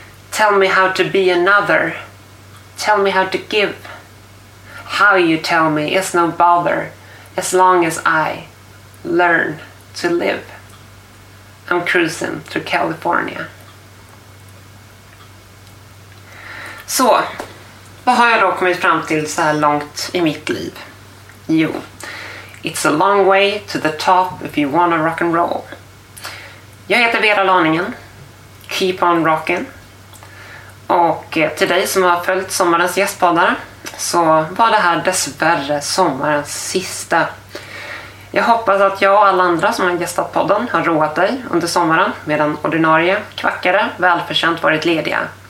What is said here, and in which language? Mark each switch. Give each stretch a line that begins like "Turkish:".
English: Tell me how to be another. Tell me how to give. How you tell me is no bother, as long as I learn to live. I'm cruising through California.
Swedish: Så, vad har jag då kommit fram till så här långt i mitt liv?
English: Jo, it's a long way to the top if you wanna rock and roll.
Swedish: Jag heter Vera Lanängen,
English: keep on rocking.
Swedish: Och till dig som har följt sommarens gästpoddare, så var det här dessvärre sommarens sista. Jag hoppas att jag och alla andra som har gästat podden har roat dig under sommaren medan ordinarie kvackare välförtjänt varit lediga.